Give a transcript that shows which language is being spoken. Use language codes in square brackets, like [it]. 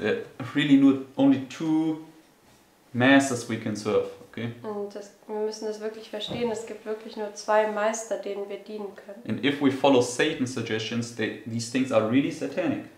[en] There are really only two masters we can serve. Okay. [de] Und das, wir müssen das wirklich verstehen. Es gibt wirklich nur zwei Meister, denen wir dienen können. [en] And if we follow Satan's suggestions, these things are really satanic.